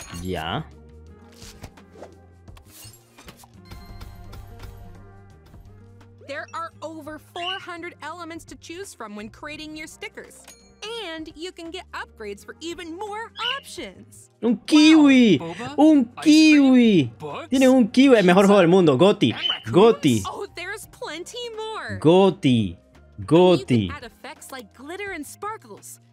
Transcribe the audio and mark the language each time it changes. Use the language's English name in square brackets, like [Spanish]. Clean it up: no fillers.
[English] Yeah. There are over 400 elements to choose from when creating your stickers. And you can get upgrades for even more options. [Spanish] Un kiwi. [English] Wow. [Spanish] Un kiwi. Tiene un kiwi, el mejor juego del mundo, GOTY. [English] GOTY. Oh, there's plenty more. GOTY. GOTY. You can add effects like glitter and sparkles.